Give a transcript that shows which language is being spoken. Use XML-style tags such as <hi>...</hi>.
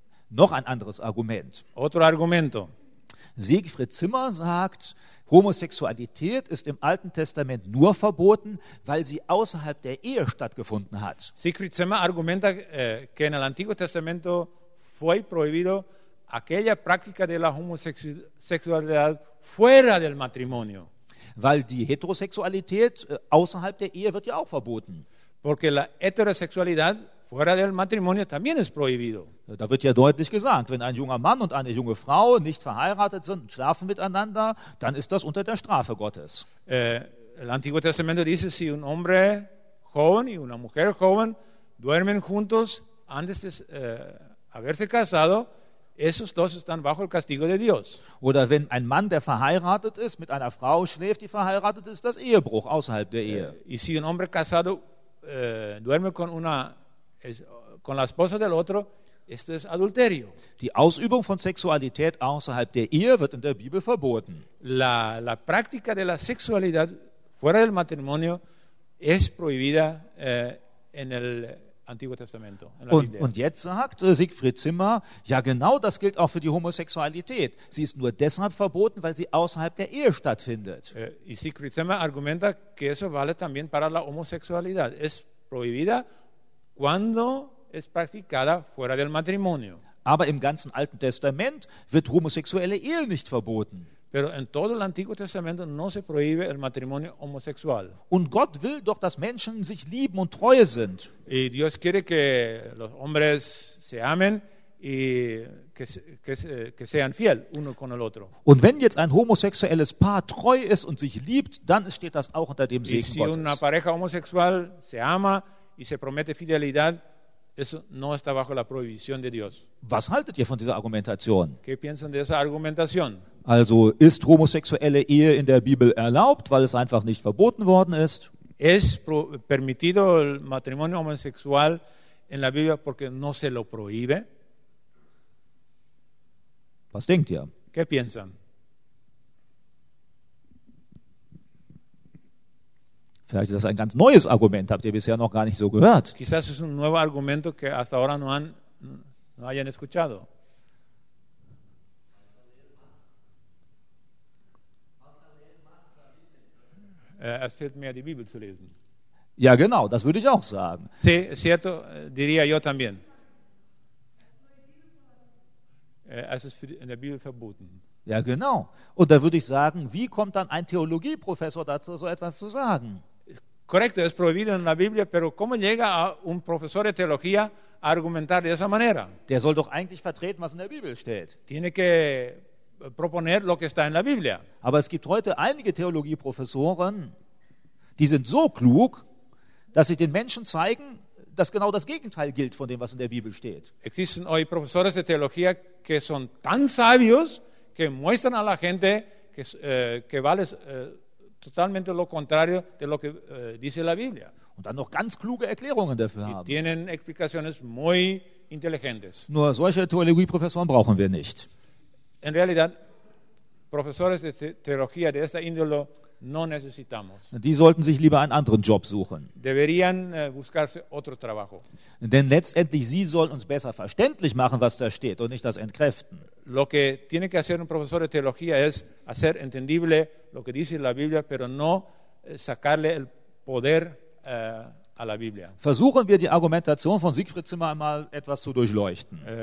<de>Noch ein anderes Argument.</de> <es>Otro argumento.</es> <de>Siegfried Zimmer sagt, Homosexualität ist im Alten Testament nur verboten, weil sie außerhalb der Ehe stattgefunden hat.</de> <es>Siegfried Zimmer argumenta que en el Antiguo Testamento fue prohibido aquella práctica de la homosexualidad fuera del matrimonio.</es> <de>Weil die Heterosexualität außerhalb der Ehe wird ja auch verboten.</de> <es>Porque la heterosexualidad fuera del matrimonio también es prohibido.</es> <de>Da wird ja deutlich gesagt, wenn ein junger Mann und eine junge Frau nicht verheiratet sind und schlafen miteinander, dann ist das unter der Strafe Gottes.</de> <es>El Antiguo Testamento dice, si un hombre joven y una mujer joven duermen juntos antes de haberse casado, esos dos están bajo el castigo de Dios.</es> <de>Oder wenn ein Mann, der verheiratet ist, mit einer Frau schläft, die verheiratet ist, das Ehebruch außerhalb der Ehe.</de> <es>Y si un hombre casado duerme con una con la esposa del otro, esto es adulterio.</es> <de>Die Ausübung von Sexualität außerhalb der Ehe wird in der Bibel verboten.</de> <es>La práctica de la sexualidad fuera del matrimonio es prohibida en el Antiguo Testamento, en la Biblia.</es> <de>Und jetzt sagt Siegfried Zimmer, ja genau das gilt auch für die Homosexualität. Sie ist nur deshalb verboten, weil sie außerhalb der Ehe stattfindet.</de> <es>Y Siegfried Zimmer argumenta que eso vale también para la homosexualidad. Es prohibida cuando es practicada fuera del matrimonio.</es> <de>Aber im ganzen Alten Testament wird homosexuelle Ehe nicht verboten.</de> <es>Pero en todo el Antiguo Testamento no se prohíbe el matrimonio homosexual.</es> <de>Und Gott will doch, dass Menschen sich lieben und treue sind.</de> <es>Y Dios quiere que los hombres se amen y que sean fiel uno con el otro.</es> <de>Und wenn jetzt ein homosexuelles Paar treu ist und sich liebt, dann steht das auch unter dem Segen Gottes.</de> <es>Y si una pareja homosexual se ama y se promete fidelidad, eso no está bajo la prohibición de Dios.</es> <de>Was haltet ihr von dieser Argumentation?</de> <es>¿Qué piensan de esa argumentación?</es> <de>Also ist homosexuelle Ehe in der Bibel erlaubt, weil es einfach nicht verboten worden ist?</de> <es>Es permitido el matrimonio homosexual en la Biblia porque no se lo prohíbe.</es> <de>Was denkt ihr?</de> <es>¿Qué piensan?</es> <de>Vielleicht ist das ein ganz neues Argument, habt ihr bisher noch gar nicht so gehört.</de> <es>Quizás es un nuevo argumento que hasta ahora no hayan escuchado.</es> <de>Es fehlt mehr, die Bibel zu lesen. Ja, genau, das würde ich auch sagen.</de> <es>Sí, cierto, diría yo también.</es> <de>Es ist in der Bibel verboten. Ja, genau. Und da würde ich sagen, wie kommt dann ein Theologieprofessor dazu, so etwas zu sagen?</de> <es>Correcto, es prohibido en la Biblia, pero ¿cómo llega a un profesor de teología a argumentar de esa manera?</es> <de>Der soll doch eigentlich vertreten, was in der Bibel steht.</de> <es>Tiene que proponer lo que está en la Biblia.</es> <de>Aber es gibt heute einige Theologieprofessoren, die sind so klug, dass sie den Menschen zeigen, dass genau das Gegenteil gilt von dem, was in der Bibel steht.</de> <es>Existen hoy profesores de teología que son tan sabios que muestran a la gente que vale totalmente lo contrario de lo que dice la Biblia.</es> <de>Und dann noch ganz kluge Erklärungen dafür haben.</de> <es>Y tienen explicaciones muy inteligentes.</es> <de>Nur solche Theologieprofessoren brauchen wir nicht.</de> <es>En realidad, profesores de teología de esta índole no necesitamos.</es> <de>Die sollten sich lieber einen anderen Job suchen.</de> <es>Deberían buscarse otro trabajo.</es> <de>Denn letztendlich, sie sollen uns besser verständlich machen, was da steht, und nicht das entkräften.</de> <es>Lo que tiene que hacer un profesor de teología es hacer entendible lo que dice la Biblia, pero no sacarle el poder a la Biblia.</es> <de>Versuchen wir, die Argumentation von Siegfried Zimmer einmal etwas zu durchleuchten.</de>